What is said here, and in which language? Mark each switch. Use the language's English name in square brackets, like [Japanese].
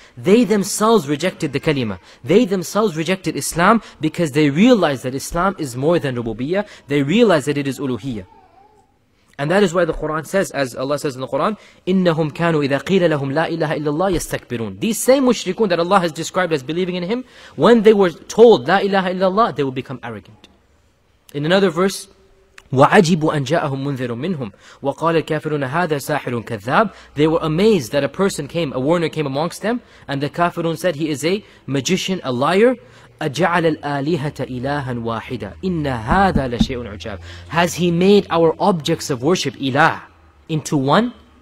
[English] They themselves rejected the kalima. They themselves rejected Islam because they realized that Islam is more than rububiyyah. They realized that it is uluhiyyah. And that is why the Quran says, as Allah says in the Quran, [Arabic] إِنَّهُمْ كَانُوا إِذَا قِيلَ لَهُمْ لَا إِلَهَ إِلَّا اللَّهِ يَسْتَكْبِرُونَ. [English] These same mushrikun that Allah has described as believing in Him, when they were told لا إله إلا الله, they would become arrogant. In another verse, [Arabic] وَعَجِبُوا أَنْ جَاءَهُمْ مُنْذِرٌ مِّنْهُمْ وَقَالَ الْكَافِرُونَ هَذَا سَاحِرٌ كَذَّابٌ. [English] They were amazed that a warner came amongst them, and the kafirun said, he is a magician, a liar. [Arabic] أَجَعَلَ الْآلِهَةَ إِلَٰهًا وَاحِدًا إِنَّ هَذَا لَشَيْءٌ عُجَابٌ. [English] Has he made our objects of worship, ilah, into one?